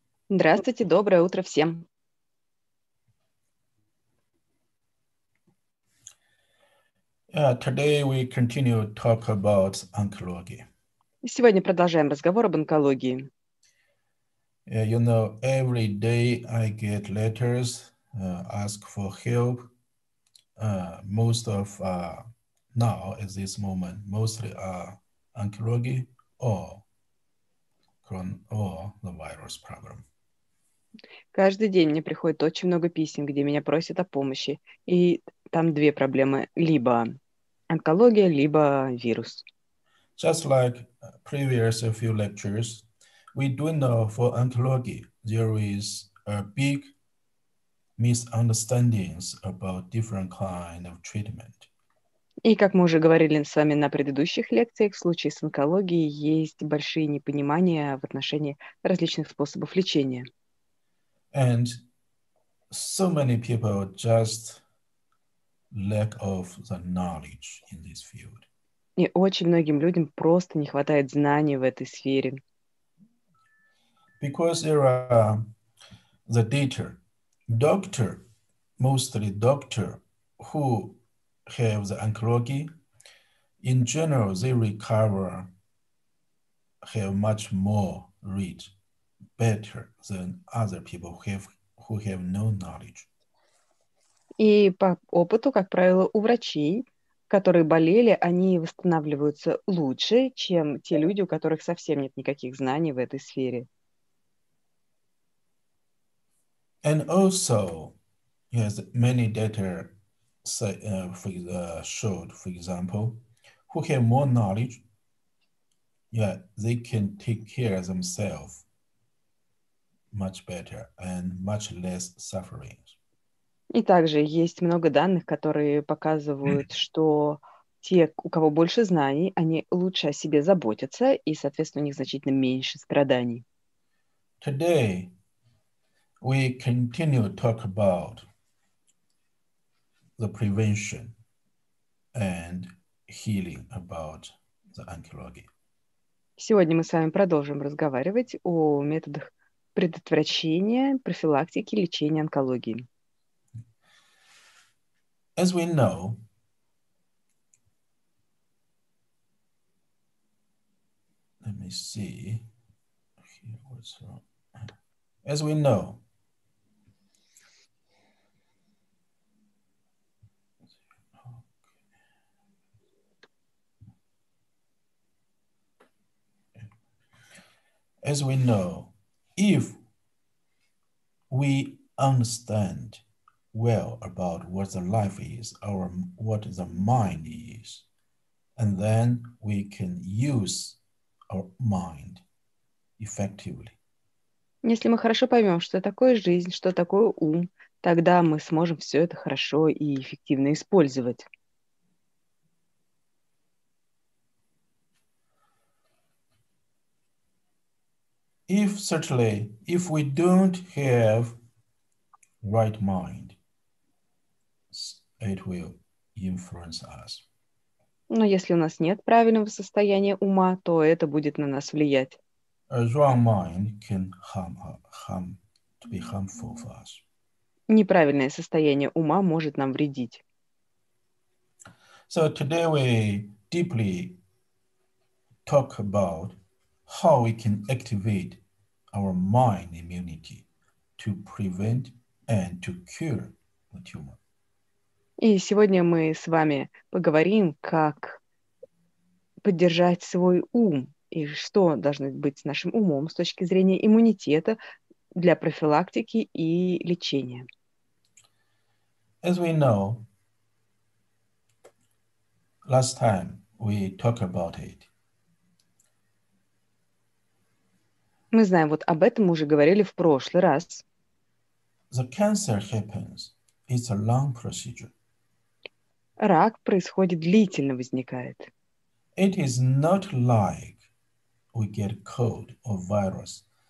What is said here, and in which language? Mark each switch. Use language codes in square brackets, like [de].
[ru] Здравствуйте, доброе утро всем. [en] Today we continue to talk about oncology. [ru] Сегодня продолжаем разговор об онкологии. [en] You know, every day I get letters, ask for help. Most of now, at this moment, mostly are oncology or the virus problem. [ru] Каждый день мне приходит очень много писем, где меня просят о помощи. И там две проблемы. Либо онкология, либо вирус. [en] Just like previous a few lectures, we do know for oncology, there is a big misunderstandings about different kind of treatment. [ru] И как мы уже говорили с вами на предыдущих лекциях, в случае с онкологией есть большие непонимания в отношении различных способов лечения. [en] And so many people just lack of the knowledge in this field. [ru] И очень многим людям просто не хватает знаний в этой сфере. [en] Because there are the data. Doctor, mostly doctor, who have the oncology, in general, they recover, have much more rate, better than other people who have no knowledge. [ru] И по опыту, как правило, у врачей, которые болели, они восстанавливаются лучше, чем те люди, у которых совсем нет никаких знаний в этой сфере. [en] And also, yes, many data say, showed, for example, who have more knowledge, yeah, they can take care of themselves much better and much less suffering. [ru] И также есть много данных, которые показывают, что те, у кого больше знаний, они лучше о себе заботятся, и, соответственно, у них значительно меньше страданий. [en] Today, we continue to talk about the prevention and healing about the oncology. [ru] Сегодня мы с вами продолжим разговаривать о методах предотвращения, профилактики, лечения онкологии. [en] As we know, let me see here what's wrong. As we know, if we understand well about what the life is, or what the mind is, and then we can use our mind effectively. [ru] Если мы хорошо поймем, что такое жизнь, что такое ум, тогда мы сможем все это хорошо и эффективно использовать. [en] If certainly, if we don't have right mind, it will influence us. [ru] Но если у нас нет правильного состояния ума, то это будет на нас влиять. [en] A wrong mind can harm to be harmful for us. [ru] Неправильное состояние ума может нам вредить. [en] So today we deeply talk about how we can activate our mind immunity to prevent and to cure the tumor. [ru] И сегодня мы с вами поговорим, как поддержать свой ум и что должно быть с нашим умом с точки зрения иммунитета для профилактики и лечения. [en] As we know, last time we talked about it. [ru] Мы знаем, вот об этом уже говорили в прошлый раз. [en] The cancer happens. It's a long procedure. [ru] Рак происходит длительно, возникает. [en] It is not like we get cold or virus.